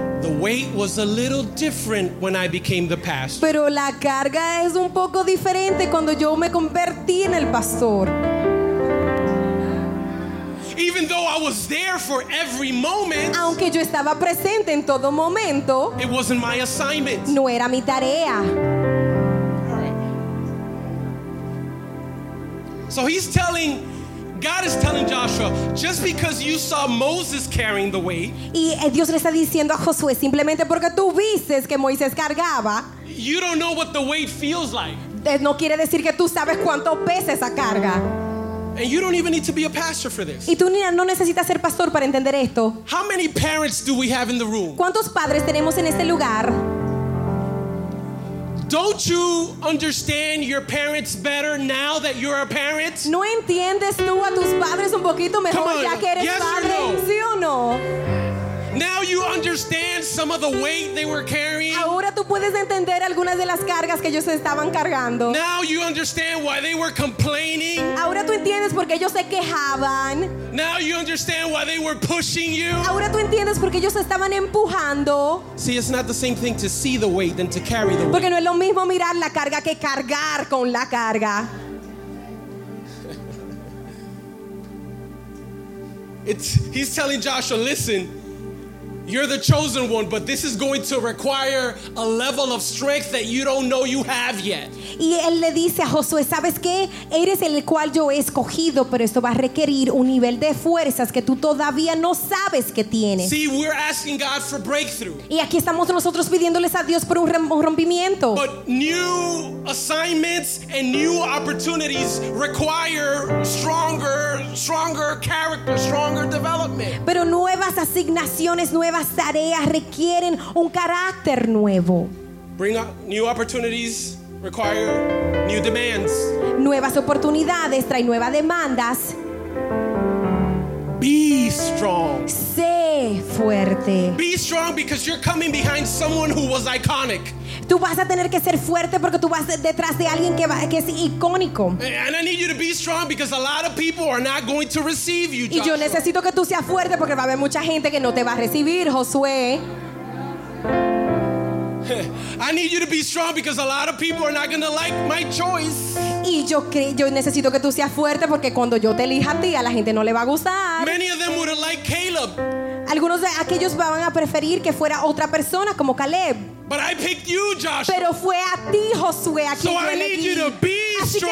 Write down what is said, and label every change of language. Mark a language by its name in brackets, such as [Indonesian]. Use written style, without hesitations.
[English] The weight was a little different when I became the pastor. [Spanish] Pero la carga es un poco diferente cuando yo me convertí en el pastor. [English] Even though I was there for every moment, [Spanish] aunque yo estaba presente en todo momento, [English] it wasn't my assignment. [Spanish] No era mi tarea. [English] So he's telling, God is telling Joshua, just because you saw Moses carrying the weight, [Spanish] y Dios le está diciendo a Josué, simplemente porque tú viste que Moisés cargaba, [English] you don't know what the weight feels like. [Spanish] No quiere decir que tú sabes cuánto pesa esa carga. [English] And you don't even need to be a pastor for this. [Spanish] Y tú no necesitas ser pastor para entender esto. [English] How many parents do we have in the room? [Spanish] ¿Cuántos padres tenemos en este lugar? [English] Don't you understand your parents better now that you're a parent? [Spanish] ¿No entiendes tú a tus padres un poquito mejor ya que eres [English] yes [Spanish] padre? [English] Or no? [Spanish] ¿Sí o no? [English] Now you understand some of the weight they were carrying. [Spanish] Ahora tú puedes entender algunas de las cargas que ellos estaban cargando. [English] Now you understand why they were complaining. [Spanish] Ahora tú entiendes por qué ellos se quejaban. [English] Now you understand why they were pushing you. [Spanish] Ahora tú entiendes por qué ellos estaban empujando. [English] See, it's not the same thing to see the weight than to carry the weight. [Spanish] Porque no es lo mismo mirar la carga que cargar con la carga. [English] He's telling Joshua, listen. You're the chosen one, but this is going to require a level of strength that you don't know you have yet. [Spanish] Y él le dice a Josué, ¿sabes qué? Eres el cual yo he escogido, pero esto va a requerir un nivel de fuerzas que tú todavía no sabes que tienes. [English] See, we're asking God for breakthrough. [Spanish] Y aquí estamos nosotros pidiéndoles a Dios por un rompimiento. [English] But new assignments and new opportunities require stronger character, stronger development. [Spanish] Pero nuevas asignaciones, nuevas tareas requieren un carácter nuevo. [English] Bring up new opportunities require new demands. [Spanish] Nuevas oportunidades traen nuevas demandas. [English] Be strong. [Spanish] Sé fuerte. [English] Be strong because you're coming behind someone who was iconic. [Spanish] Tú vas a tener que ser fuerte porque tú vas detrás de alguien que, que es icónico. [English] And I need you to be strong because a lot of people are not going to receive you, [Spanish] Joshua. Y yo necesito que tú seas fuerte porque va a haber mucha gente que no te va a recibir, Josué. [English] I need you to be strong because a lot of people are not going to like my choice. [Spanish] Y yo necesito que tú seas fuerte porque cuando yo te elija a ti, a la gente no le va a gustar. [English] Many of them would have liked Caleb. [Spanish] Algunos de aquellos van a preferir que fuera otra persona como Caleb. [English] But I picked you, Joshua. [Spanish] Pero fue a ti, Josué, a quien yo elegí. [English] So I need you to be strong.